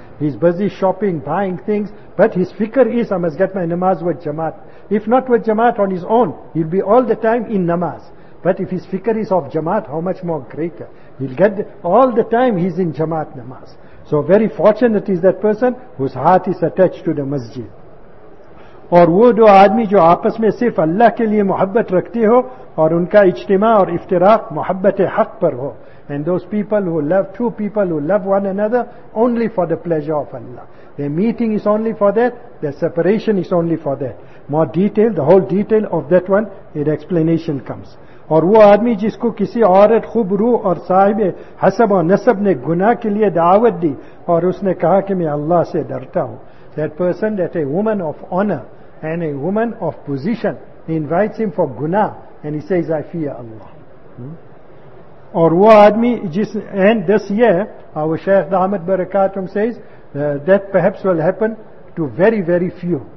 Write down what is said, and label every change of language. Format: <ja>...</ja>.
<en>He's busy shopping, buying things, but his fikr is, I must get my namaz with jamaat. If not with jamaat, on his own, he'll be all the time in namaz. But if his fikr is of jamaat, how much more greater? He'll get all the time he's in jamaat namaz. So very fortunate is that person whose heart is attached to the masjid.</en> <ur>اور وہ دو آدمی جو آپس میں صرف اللہ کے لیے محبت رکھتے ہو اور ان کا اجتماع اور افتراق محبت حق پر ہو.</ur> <en>And those people who love, two people who love one another only for the pleasure of Allah. Their meeting is only for that, their separation is only for that. More detail, the whole detail of that one, in explanation comes.</en> <ur>اور وہ آدمی جس کو کسی عورت خوب روح اور صاحب حسب اور نسب نے گناہ کے لیے دعوت دی اور اس نے کہا کہ میں اللہ سے ڈرتا ہوں.</ur> <en>That person, that a woman of honor and a woman of position, he invites him for guna and he says, I fear Allah.</en> <ur>Or wo aadmi jis,</ur> <en>and this year, our Shaykh Ahmad Barakatum says, that perhaps will happen to very, very few.</en>